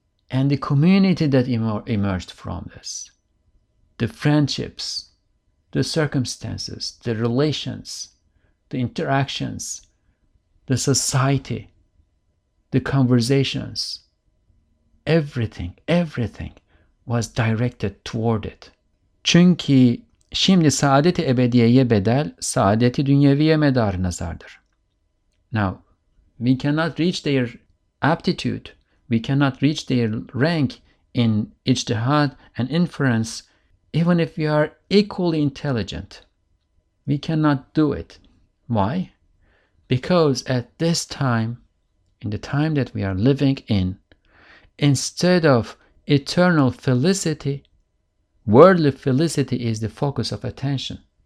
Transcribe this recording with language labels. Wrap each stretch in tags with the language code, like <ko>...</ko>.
<en>and the community that emerged from this, the friendships, the circumstances, the relations, the interactions, the society, the conversations, everything was directed toward it.</en> <tr>Çünkü şimdi saadet-i ebediyeye bedel, saadet-i dünyeviye medar nazardır.</tr> <en>Now, we cannot reach their aptitude, we cannot reach their rank in ijtihad and inference, even if we are equally intelligent. We cannot do it. Why? Because at this time, in the time that we are living in, instead of eternal felicity, worldly felicity is the focus of attention.</en>